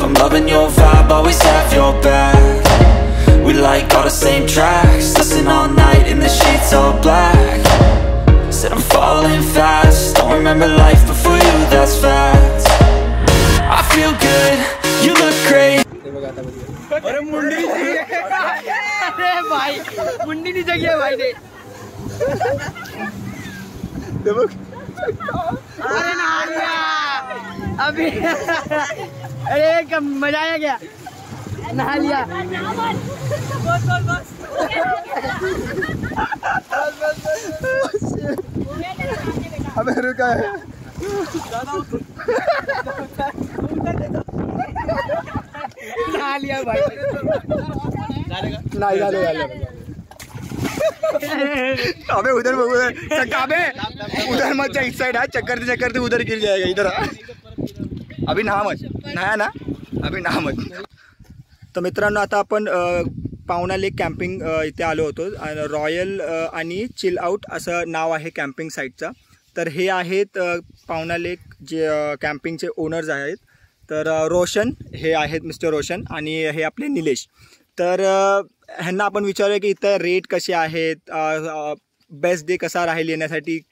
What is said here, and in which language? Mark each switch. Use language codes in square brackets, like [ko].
[en] I'm loving your vibe, always have your back. We like all the same tracks. Listen all night in the sheets all black. Said I'm falling fast. Don't remember life before you, that's fact. I feel good, you look great. [hi] अरे मुंडी अरे भाई मुंडी नीचे गया भाई देखो अरे ना आ गया अभी अरे कम मजा आ गया नहा लिया बस बस बस अबे रुका है अबे उधर अबे उधर मत जा इस साइड चक्कर चक्कर उधर गिर जाएगा इधर अभी नहा मत नहाया ना अभी नहा मत [mr] तो मित्रांनो आता आपण पावना लेक कॅम्पिंग इथे आलो होतो रॉयल आणि चिल आउट असं नाव आहे कॅम्पिंग साईटचं तर हे आहेत पावना लेक जे कॅम्पिंगचे ओनर्स आहेत तर रोशन हे आहेत मिस्टर रोशन आणि हे आपले निलेश तर ह्यांना आपण विचारूया की इथं रेट कसे आहेत बेस्ट डे कसा राहील येण्यासाठी